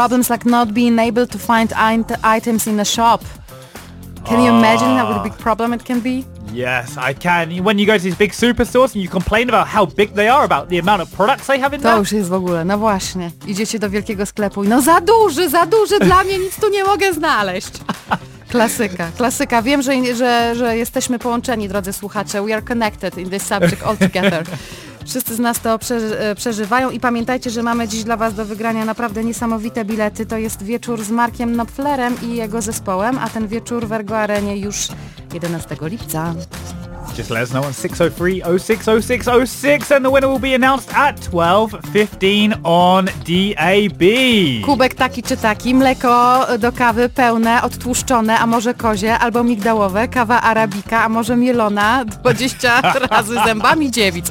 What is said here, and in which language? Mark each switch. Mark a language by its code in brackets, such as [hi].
[en] like not being able to find items in the shop. Can you imagine how big a problem it can be? Yes, I can. When you go to these big superstores and you complain about how big they are, about the amount of products they have in there. [pl] To już jest w ogóle, no właśnie. Idziecie do wielkiego sklepu i no za duży dla mnie, nic tu nie mogę znaleźć. Klasyka, klasyka. Wiem, że jesteśmy połączeni, drodzy słuchacze. [en] We are connected in this subject altogether. [pl] Wszyscy z nas to przeżywają i pamiętajcie, że mamy dziś dla Was do wygrania naprawdę niesamowite bilety. To jest wieczór z Markiem Knopflerem i jego zespołem, a ten wieczór w Ergo Arenie już 11 lipca. [en] Just let us know on 603-060606 and the winner will be announced at 12:15 on DAB. [pl] Kubek taki czy taki, mleko do kawy pełne, odtłuszczone, a może kozie, albo migdałowe, kawa arabika, a może mielona 20 razy zębami dziewic.